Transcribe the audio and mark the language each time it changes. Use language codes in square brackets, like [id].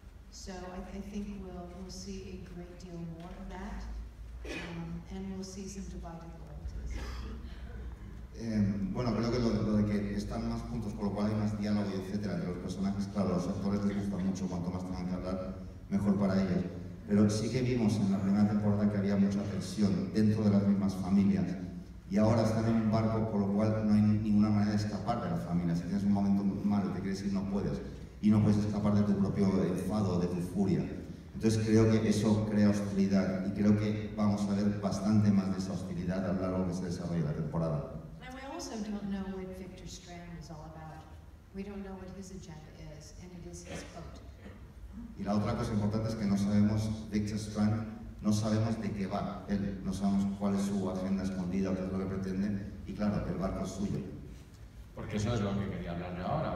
[en] So I think we'll see a great deal more of that. And we'll see some divided loyalties. [es] Creo que lo de que están más juntos, por lo cual hay más diálogo, etcétera, entre los personajes, claro, a los actores les gusta mucho, cuanto más tengan que hablar, mejor para ellos. Pero sí que vimos en la primera temporada que había mucha tensión dentro de las mismas familias. Y ahora están en un barco, por lo cual no hay ninguna manera de escapar de la familia. Si tienes un momento malo y te quieres ir, no puedes. Y no puedes escapar de tu propio enfado, de tu furia. Entonces creo que eso crea hostilidad. Y creo que vamos a ver bastante más de esa hostilidad a lo largo que se desarrolla la temporada. [en] We also don't know what Victor Strand is all about. We don't know what his agenda is, and it is his boat. [es] Y la otra cosa importante es que no sabemos Victor Strand, no sabemos de qué va él, no sabemos cuál es su agenda escondida, qué es lo que pretende, y claro, el barco es suyo. Porque eso es lo que quería hablar de ahora.